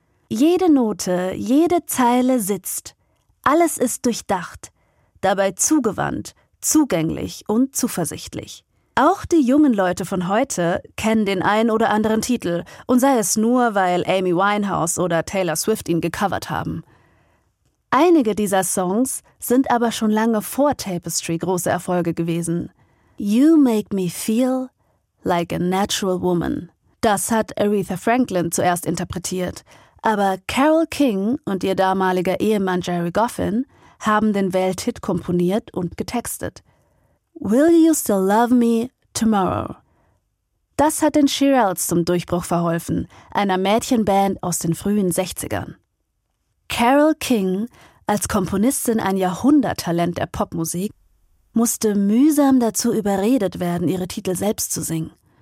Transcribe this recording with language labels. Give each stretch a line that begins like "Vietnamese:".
German: Jede Note, jede Zeile sitzt. Alles ist durchdacht, dabei zugewandt, zugänglich und zuversichtlich. Auch die jungen Leute von heute kennen den ein oder anderen Titel und sei es nur, weil Amy Winehouse oder Taylor Swift ihn gecovert haben. Einige dieser Songs sind aber schon lange vor Tapestry große Erfolge gewesen.
English: You make me feel like a natural woman.
German: Das hat Aretha Franklin zuerst interpretiert. Aber Carole King und ihr damaliger Ehemann Jerry Goffin haben den Welthit komponiert und getextet.
English: Will you still love me tomorrow?
German: Das hat den Shirelles zum Durchbruch verholfen, einer Mädchenband aus den frühen 60ern. Carole King, als Komponistin ein Jahrhunderttalent der Popmusik, musste mühsam dazu überredet werden, ihre Titel selbst zu singen.